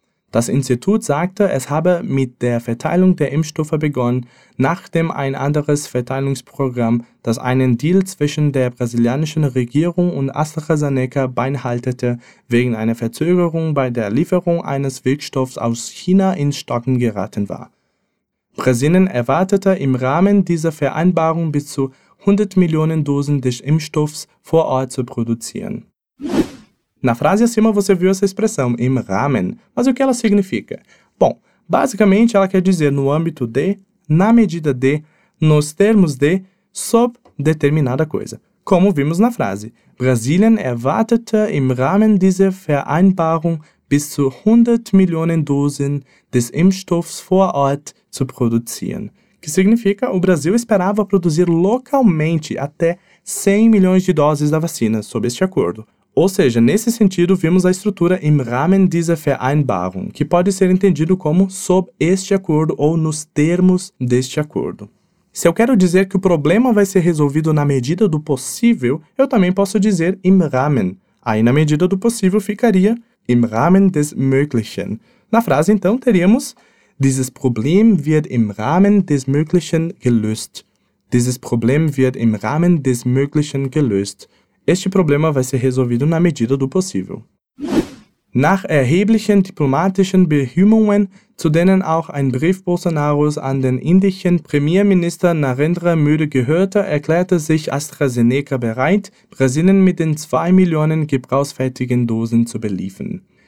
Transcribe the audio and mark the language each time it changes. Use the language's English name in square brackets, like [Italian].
[German] Das Institut sagte, es habe mit der Verteilung der Impfstoffe begonnen, nachdem ein anderes Verteilungsprogramm, das einen Deal zwischen der brasilianischen Regierung und AstraZeneca beinhaltete, wegen einer Verzögerung bei der Lieferung eines Wirkstoffs aus China ins Stocken geraten war. Brasilien erwartete im Rahmen dieser Vereinbarung bis zu 100 Millionen Dosen des Impfstoffs vor Ort zu produzieren. [Portuguese] Na frase acima você viu essa expressão, im Rahmen. Mas o que ela significa? Bom, basicamente ela quer dizer no âmbito de, na medida de, nos termos de, sob determinada coisa. Como vimos na frase, [German] Brasilien erwartete im Rahmen dieser Vereinbarung bis zu 100 Millionen Dosen des Impfstoffs vor Ort zu produzieren. [Portuguese] Que significa o Brasil esperava produzir localmente até 100 milhões de doses da vacina, sob este acordo. Ou seja, nesse sentido, vimos a estrutura [German] im Rahmen dieser Vereinbarung, [Portuguese] que pode ser entendido como sob este acordo ou nos termos deste acordo. Se eu quero dizer que o problema vai ser resolvido na medida do possível, eu também posso dizer im Rahmen. Aí, na medida do possível, ficaria [German] im Rahmen des Möglichen. [Portuguese] Na frase, então, teríamos [German] dieses Problem wird im Rahmen des Möglichen gelöst. Dieses Problem wird im Rahmen des Möglichen gelöst. [Portuguese] Este problema vai ser resolvido na medida do possível. [German] Nach erheblichen diplomatischen Bemühungen, zu denen auch ein Brief Bolsonaros an den indischen Premierminister Narendra Modi gehörte, erklärte sich AstraZeneca bereit, Brasilien mit den 2 Millionen gebrauchsfertigen Dosen zu beliefern.